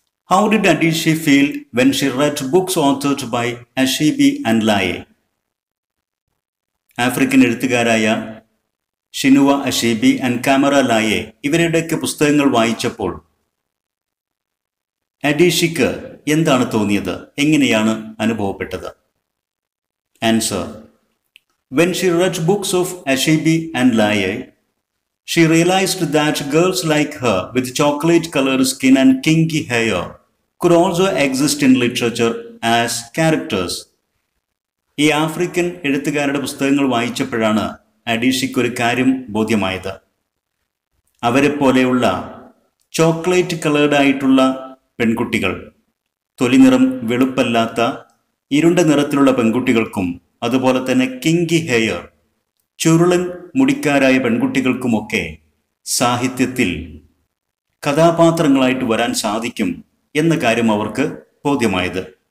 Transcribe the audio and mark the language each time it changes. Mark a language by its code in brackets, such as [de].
[en] How did Adichie feel when she read books authored by Achebe and Laye? [ml] African എഴുത്തുകാരായ ഷിനുവ അഷീബി and camera ലായെ ഇവരുടെയൊക്കെ പുസ്തകങ്ങൾ വായിച്ചപ്പോൾ അഡീഷിക്ക് എന്താണ് തോന്നിയത്? എങ്ങനെയാണ് അനുഭവപ്പെട്ടത്? [en] Answer: When she read books of Ashibi and Laye, she realized that girls like her with chocolate-colored skin and kinky hair could also exist in literature as characters. [ml] ഈ African എഴുത്തുകാരുടെ പുസ്തകങ്ങൾ വായിച്ചപ്പോഴാണ് അഡീഷിക്ക് ഒരു കാര്യം ബോധ്യമായത്. അവരെ പോലെയുള്ള ചോക്ലേറ്റ് കളേർഡ് ആയിട്ടുള്ള പെൺകുട്ടികൾ, തൊലി നിറം വെളുപ്പല്ലാത്ത ഇരുണ്ട നിറത്തിലുള്ള പെൺകുട്ടികൾക്കും അതുപോലെ തന്നെ കിങ്കി ഹെയർ ചുരുളൻ മുടിക്കാരായ പെൺകുട്ടികൾക്കുമൊക്കെ സാഹിത്യത്തിൽ കഥാപാത്രങ്ങളായിട്ട് വരാൻ സാധിക്കും എന്ന കാര്യം അവർക്ക് ബോധ്യമായത്.